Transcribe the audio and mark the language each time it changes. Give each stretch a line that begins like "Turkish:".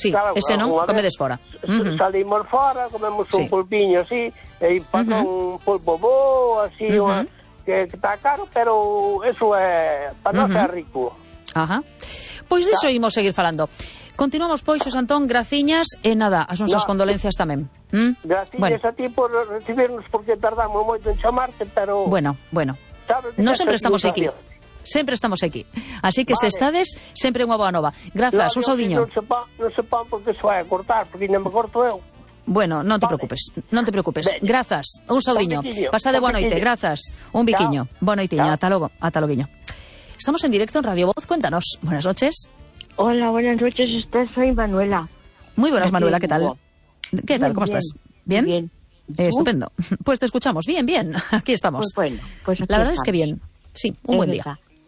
Galician: Sí, claro, ese non, comedes fora. Salimos fora, comemos un pulpiño así, e pasa un pulpo bo, así, que está caro, pero eso é... para non ser rico. Pois diso imos seguir falando. Continuamos pois, Xosé Antón, graciñas e nada, as nosas condolencias tamén. Graciñas a ti por recibirnos porque tardamos moito en chamarte, pero Bueno. Non sempre estamos aquí. Sempre estamos aquí. Así que se estades, sempre unha boa nova. Grazas, un saudiño. Non sepan porque se vai a cortar, porque non me corto eu. Bueno, non te preocupes, non te preocupes. Grazas, un saudiño. Pasade boa noite, grazas. Un biquiño. Boa noitiña, ata logo, ata loguiño.
Spanish: Estamos en directo en Radio Voz, cuéntanos. Buenas noches. Hola, buenas noches, soy Manuela. Muy buenas, Manuela, ¿qué tal? ¿Qué tal? ¿Cómo estás? ¿Bien? Bien. Estupendo. Pues te escuchamos, bien. Aquí estamos. Pues bueno. Pues la verdad es que bien. Sí, un buen día.